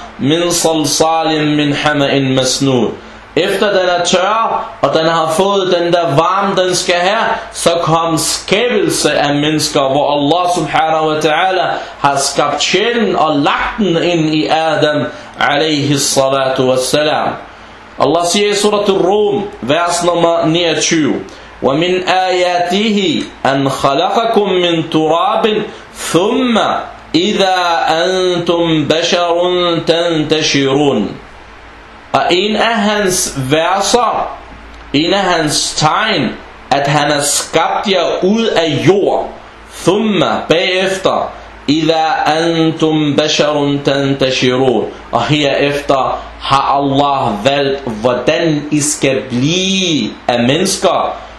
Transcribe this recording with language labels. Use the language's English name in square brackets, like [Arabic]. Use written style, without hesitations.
[Arabic] مِنْ صَلْصَالٍ مِنْ حَمَئٍ مَسْنُونَ. [Danish] Efter den er tør, og den har fået den der varme, den skal have, så kom skabelse af mennesker, hvor Allah subhanahu wa ta'ala har skabt sjælen og lagt den ind i Adam alayhi salatu wa salam. Allah siger i surat al-Rum, vers nummer 29, [Arabic] وَمِنْ آيَاتِهِ أَنْ خَلَقَكُمْ مِنْ تُرَابٍ ثُمَّ إِذَا أَنْتُمْ بَشَرٌ تَنْتَشِرُونَ. [Danish] Og en af hans verser, en af hans tegn, at han har skabt jer ud af jord, thumma, bagefter, [Arabic] إِذَا أَنْتُمْ بَشَرٌ تَنْتَشِرُونَ. [Danish] Og herefter har Allah valgt, hvordan I skal blive af mennesker.